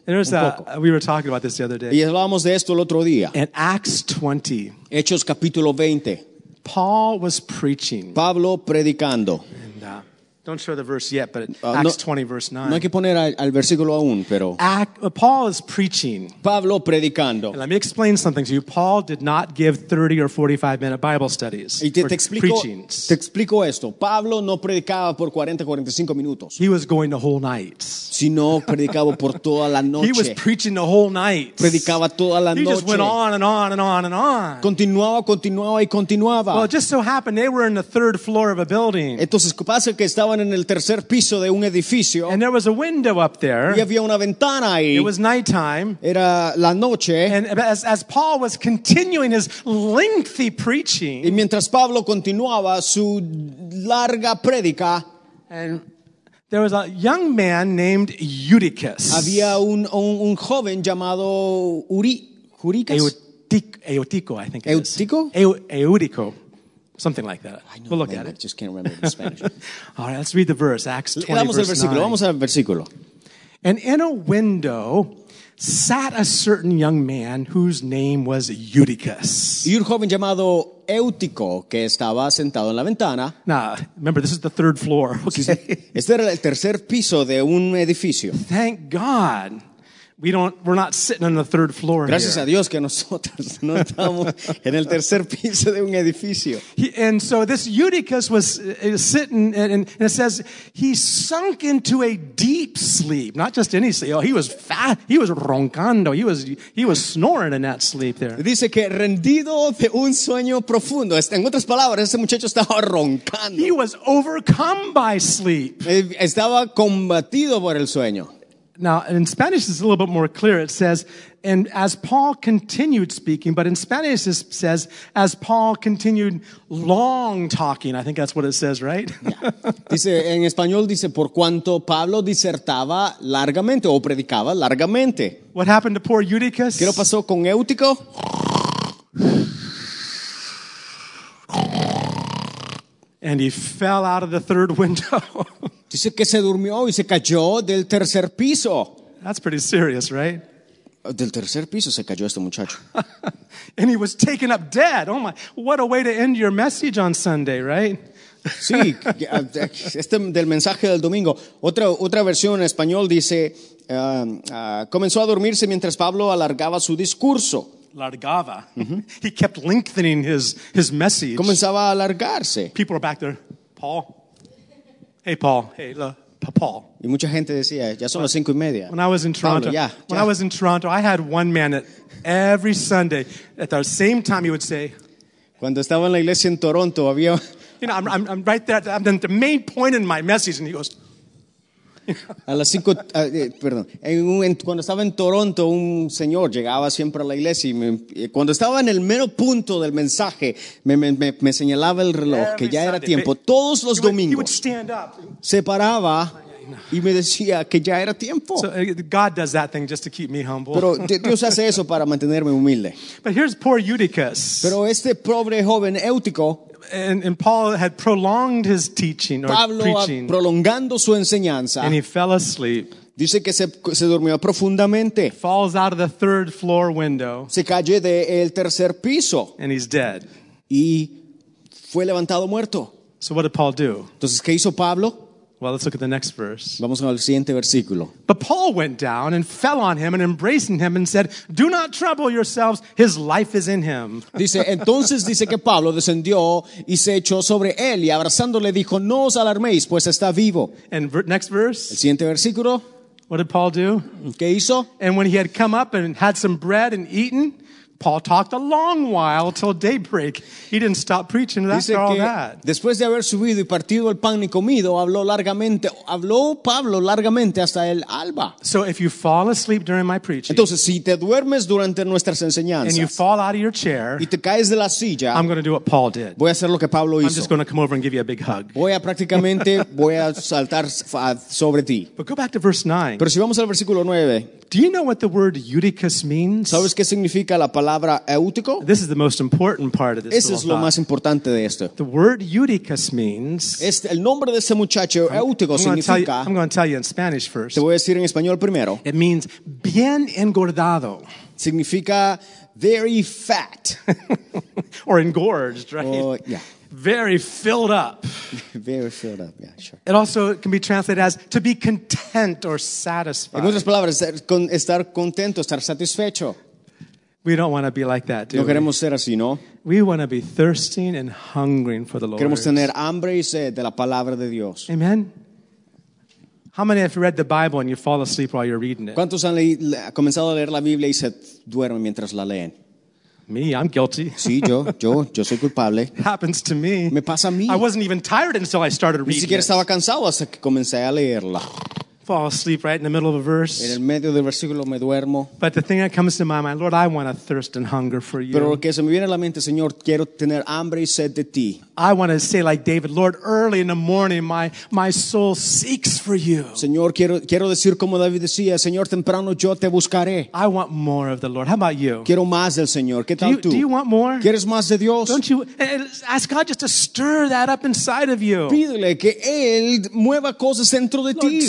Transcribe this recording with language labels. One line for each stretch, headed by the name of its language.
English: We were talking about this the other day.
Spanish: Y hablábamos de esto el otro día.
English: In Acts 20.
Spanish: Hechos capítulo 20.
English: Paul was preaching.
Spanish: Pablo predicando.
English: Don't show the verse yet, but Acts 20 verse 9.
Spanish: No hay que poner al versículo aún, pero
English: Paul is preaching.
Spanish: Pablo predicando.
English: And let me explain something to you. Paul did not give 30 or 45 minute Bible studies.
Spanish: Y te explico esto. Pablo no predicaba por 40 o 45 minutos.
English: He was going the whole night.
Spanish: Sino predicaba por toda la noche.
English: He was preaching the whole night.
Spanish: Predicaba toda la noche.
English: He just went on and on and on and on.
Spanish: Continuaba.
English: Well, it just so happened they were in the third floor of a building.
Spanish: Entonces pasa que estaban en el tercer piso de un edificio.
English: And there was a window up there.
Spanish: Y había una ventana ahí.
English: It was nighttime.
Spanish: Era la noche.
English: And as Paul was continuing his lengthy preaching.
Spanish: Y mientras Pablo continuaba su larga prédica.
English: And there was a young man named Eutychus.
Spanish: Había un joven llamado Eutychus.
English: Eutico, I think.
Spanish: Eutico?
English: Eutico. Something like that. I know, we'll look at it. I just can't remember the Spanish. All right, let's read the verse, Acts 20,
Spanish: leamos
English: verse 9.
Spanish: Vamos al versículo.
English: And in a window sat a certain young man whose name was Eutychus.
Spanish: Y un joven llamado Eutico que estaba sentado en la ventana.
English: Now, remember, this is the third floor. Okay.
Spanish: Este era el tercer piso de un edificio.
English: Thank God. We're not sitting on the third floor.
Spanish: Gracias
English: here.
Spanish: A Dios que nosotros no estamos en el tercer piso de un edificio.
English: And so this Eutychus was sitting, and it says he sunk into a deep sleep. Not just any sleep. Oh, he was fat. He was roncando. He was snoring in that sleep there.
Spanish: Dice que rendido de un sueño profundo. En otras palabras, ese muchacho estaba roncando.
English: He was overcome by sleep.
Spanish: Estaba combatido por el sueño.
English: Now, in Spanish, it's a little bit more clear. It says, and as Paul continued speaking, but in Spanish, it says, as Paul continued long talking. I think that's what it says, right? Yeah.
Spanish: Dice, en español dice, por cuanto Pablo disertaba largamente o predicaba largamente.
English: What happened to poor Eutychus?
Spanish: ¿Qué pasó con Eutico?
English: And he fell out of the third window.
Spanish: Dice que se durmió y se cayó del tercer piso.
English: That's pretty serious, right?
Spanish: Del tercer piso se cayó este muchacho.
English: And he was taken up dead. Oh my, what a way to end your message on Sunday, right?
Spanish: Sí, este del mensaje del domingo. Otra versión en español dice, comenzó a dormirse mientras Pablo alargaba su discurso.
English: Largaba. He kept lengthening his message.
Spanish: Comenzaba a alargarse.
English: People are back there. Paul. Hey, Paul. Hey, Paul.
Spanish: Y mucha gente decía, ya son las cinco y media.
English: When I was in Toronto,
Spanish: Pablo,
English: when I was in Toronto, I had one man that every Sunday, at the same time, he would say,
Spanish: cuando estaba en la iglesia en Toronto, había,
English: you know, I'm right there, I'm the main point in my message, and he goes,
Spanish: a las cinco, perdón, cuando estaba en Toronto, un señor llegaba siempre a la iglesia y cuando estaba en el mero punto del mensaje, me señalaba el reloj que ya era tiempo. Todos los domingos se paraba y me decía que ya era tiempo.
English: So, God does that thing just to keep me humble.
Spanish: Pero Dios hace eso para mantenerme humilde.
English: But here's poor Eutychus.
Spanish: Pero este pobre joven Eutico.
English: And Paul had prolonged his teaching or
Spanish: Pablo
English: preaching,
Spanish: prolongando su enseñanza,
English: and he fell asleep.
Spanish: Dice que se durmió profundamente.
English: Falls out of the third floor window.
Spanish: Se cayó de el tercer piso.
English: And he's dead.
Spanish: Y fue levantado muerto.
English: So what did Paul do?
Spanish: Entonces, ¿qué hizo Pablo?
English: Well, let's look at the next verse.
Spanish: Vamos al siguiente versículo.
English: But Paul went down and fell on him and embracing him and said, "Do not trouble yourselves, his life is in him."
Spanish: Dice, entonces dice que Pablo descendió y se echó sobre él y abrazándole dijo, "No os alarméis, pues está vivo."
English: And next verse.
Spanish: El siguiente versículo.
English: What did Paul do?
Spanish: ¿Qué hizo?
English: And when he had come up and had some bread and eaten, Paul talked a long while till daybreak. He didn't stop preaching after all that.
Spanish: Después de haber subido y partido el pan y comido, habló largamente. Habló Pablo largamente hasta el alba.
English: So if you fall asleep during my preaching,
Spanish: entonces si te duermes durante nuestras enseñanzas,
English: and you fall out of your chair,
Spanish: y te caes de la silla,
English: I'm going to do what Paul did.
Spanish: Voy a hacer lo que Pablo hizo.
English: I'm just going to come over and give you a big hug.
Spanish: Voy a prácticamente voy a saltar sobre ti.
English: But go back to verse 9.
Spanish: Pero si vamos al versículo 9.
English: Do you know what the word eutychus means?
Spanish: ¿Sabes qué significa la palabra eutico?
English: This is the most important part of this.
Spanish: Ese es lo más importante de esto.
English: The word eutychus means.
Spanish: El nombre de ese muchacho eutico significa.
English: I'm going to tell you in Spanish first.
Spanish: Te voy a decir en español primero.
English: It means
Spanish: bien engordado. Significa
English: very fat. Or engorged, right? Yeah. Very filled up. Very filled up, yeah, sure. It also can be translated as to be content or satisfied.
Spanish: En otras palabras, estar contento, estar satisfecho.
English: We don't want to be like that, do
Spanish: we? No queremos ser así, ¿no?
English: We want to be thirsting and hungering for the Lord.
Spanish: Queremos tener hambre y sed de la palabra de Dios.
English: Amen. How many have read the Bible and you fall asleep while you're reading it?
Spanish: ¿Cuántos han comenzado a leer la Biblia y se duermen mientras la leen?
English: Me, I'm guilty.
Spanish: Sí, yo soy culpable.
English: Happens to me.
Spanish: Me pasa a mí.
English: I wasn't even tired until I started reading.
Spanish: Ni siquiera estaba cansado hasta que comencé a leerla.
English: Fall asleep right in the middle of a verse.
Spanish: En el medio del versículo me duermo.
English: But the thing that comes to my mind, Lord, I want to thirst and hunger for you.
Spanish: Pero lo que se me viene a la mente, Señor, quiero tener hambre y sed de ti.
English: I want to say like David, Lord, early in the morning, my soul seeks for you.
Spanish: Señor, quiero decir como David decía, Señor, temprano yo te buscaré.
English: I want more of the Lord. How about you?
Spanish: Quiero más del Señor. ¿Qué tal tú?
English: Do you want more?
Spanish: ¿Quieres más de Dios?
English: Don't you ask God just to stir that up inside of you?
Spanish: Pídele que él mueva cosas dentro de ti.